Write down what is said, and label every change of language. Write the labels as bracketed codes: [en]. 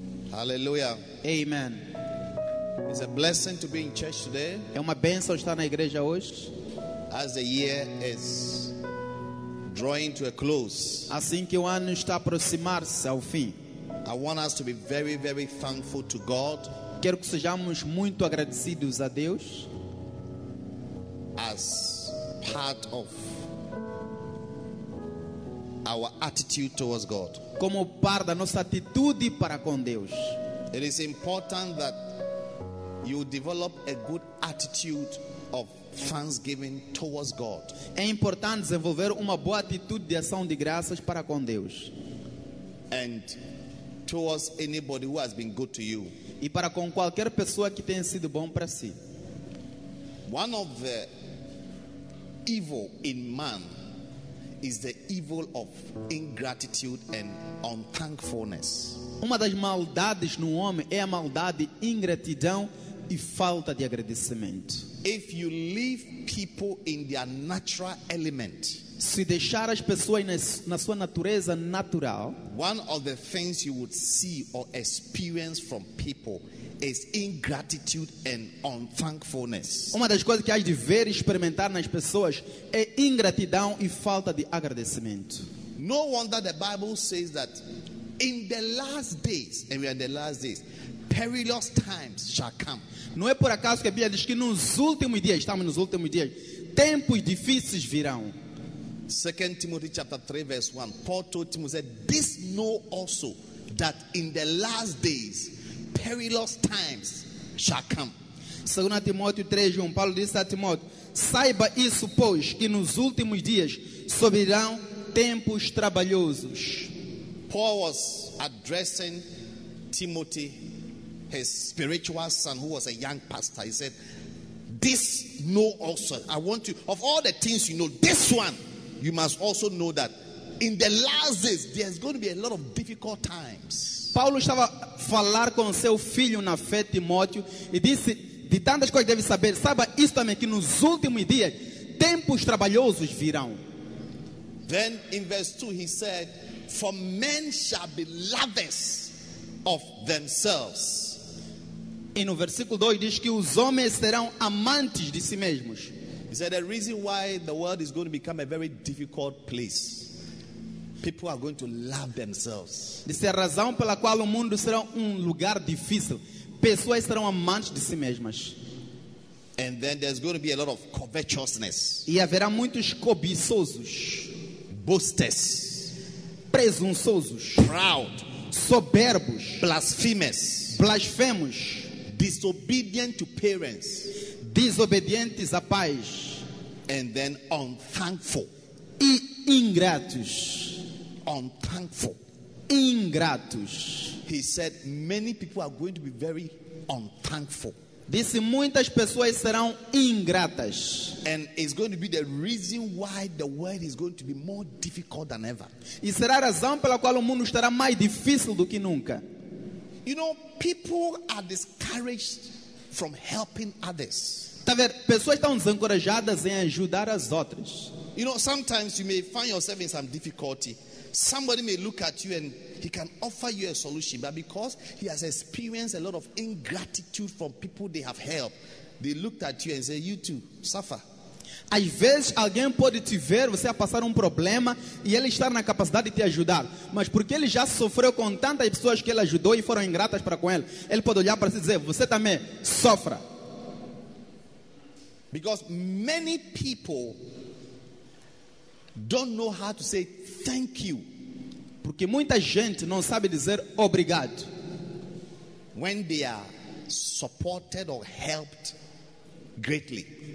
[en] Hallelujah. Amen. It's a blessing to be in church today. [pt] É uma bênção estar na igreja hoje. [en] As the year is drawing to a close, [pt] assim que o ano está a aproximar-se ao fim, [en] I want us to be very, very thankful to God. [pt] Quero que sejamos muito agradecidos a Deus. [en] As part of our attitude towards God. [pt] Como parte da nossa atitude para com Deus. [en] It is important that you develop a good attitude of thanksgiving towards God. [pt] É importante desenvolver uma boa atitude de ação de graças para com Deus. [en] And towards anybody who has been good to you. [pt] E para com qualquer pessoa que tenha sido bom para si. [en] One of the evil in man is the evil of ingratitude and unthankfulness. [pt] Uma das maldades no homem é a maldade, ingratidão e falta de agradecimento. [en] If you leave people in their natural element, [pt] se deixar as pessoas na sua natureza natural, [en] one of the things you would see or experience from people is ingratitude and unthankfulness. [pt] Uma das coisas que há de ver e experimentar nas pessoas é ingratidão e falta de agradecimento. [en] No wonder the Bible says that in the last days, and we are in the last days, perilous times shall come. [pt] Não é por acaso que a Bíblia diz que nos últimos dias, estamos nos últimos dias, tempos difíceis virão. [en] 2 Timothy chapter 3 verse 1, Paul told Timothy, said, this know also that in the last days perilous times shall come. [pt] 2 Timothy 3 1, Paulo disse a Timóteo, saiba isso pois que nos últimos dias sobrirão tempos trabalhosos. [en] Paul was addressing Timothy, his spiritual son, who was a young pastor. He said, this know also, I want you, of all the things you know, this one you must also know, that in the last days there's going to be a lot of difficult times. [pt] Paulo estava a falar com seu filho na fé, Timóteo, e disse, de tantas coisas deve saber, saiba isso também, que nos últimos dias tempos trabalhosos virão. [en] Then in verse 2 he said, for men shall be lovers of themselves. [pt] E no versículo 2 diz que os homens serão amantes de si mesmos. [en] He said, the reason why the world is going to become a very difficult place, people are going to love themselves. [pt] Disse a razão pela qual o mundo será lugar difícil, pessoas serão amantes de si mesmas. [en] And then there's going to be a lot of covetousness. [pt] E haverá muitos cobiçosos. [en] Boasters. [pt] Presunçosos. [en] Proud. [pt] Soberbos. [en] Blasphemers. [pt] Blasfemos. [en] Disobedient to parents. [pt] Desobedientes a pais. [en] And then unthankful. [pt] E ingratos. [en] Unthankful. [pt] Ingratos. [en] He said many people are going to be very unthankful. [pt] Disse muitas pessoas serão ingratas. [en] And it's going to be the reason why the world is going to be more difficult than ever. [pt] E será a razão pela qual o mundo estará mais difícil do que nunca. [en] You know, people are discouraged from helping others. [pt] Tá vendo? Pessoas estão desencorajadas em ajudar as outras. [en] You know, sometimes you may find yourself in some difficulty. Somebody may look at you and he can offer you a solution, but because he has experienced a lot of ingratitude from people they have helped, they looked at you and say, "You too suffer." [pt] Às vezes alguém pode te ver, você a passar problema e ele estar na capacidade de te ajudar, mas porque ele já sofreu com tantas pessoas que ele ajudou e foram ingratas para com ele, ele pode olhar para si e dizer, "Você também sofra." [en] Because many people don't know how to say thank you. [pt] Porque muita gente não sabe dizer obrigado. [en] When they are supported or helped greatly.